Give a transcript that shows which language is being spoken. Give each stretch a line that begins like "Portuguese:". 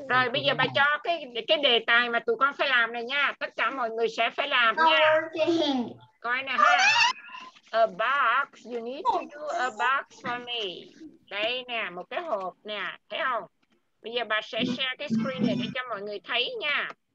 Vietnamese: Rồi, bây giờ bà cho cái đề tài mà tụi con phải làm này nha. Tất cả mọi người sẽ phải làm nha.
English: Working.
Vietnamese: Coi nè ha.
English: A box. You need to do a box for me.
Vietnamese: Đây nè, một cái hộp nè. Thấy không? Bây giờ bà sẽ share cái screen này để cho mọi người thấy nha.